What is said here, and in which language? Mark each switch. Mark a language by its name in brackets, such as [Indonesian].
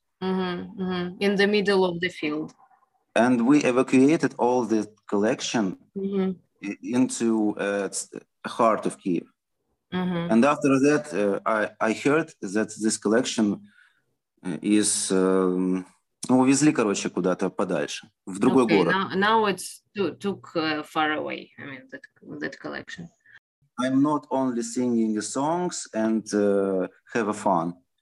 [English] In the middle of the field. And we evacuated all the collection into the heart of Kyiv. And after that, I heard that this collection is... [Russian] увезли, короче, куда-то подальше, в другой город. [English] Now it's took far away, I mean, that collection. I'm not only singing songs and have a fun.